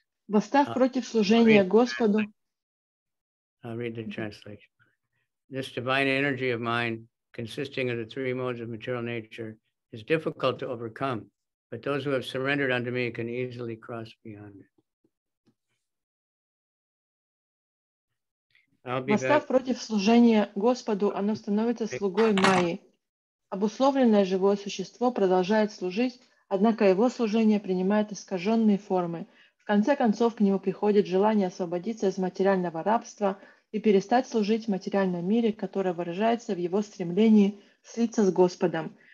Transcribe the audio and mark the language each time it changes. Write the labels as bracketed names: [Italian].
[Russian] Восстав против служения Господу. [English] I'll read the translation. This divine energy of mind, consisting of the three modes of material nature, is difficult to overcome, but those who have surrendered unto me can easily cross beyond it. [Russian] Восстав против служения Господу, оно становится слугой Майи. Обусловленное живое существо продолжает служить, однако его служение принимает искаженные формы. В конце концов, к нему приходит желание освободиться из материального рабства и перестать служить в материальном мире, которое выражается в его стремлении слиться с Господом.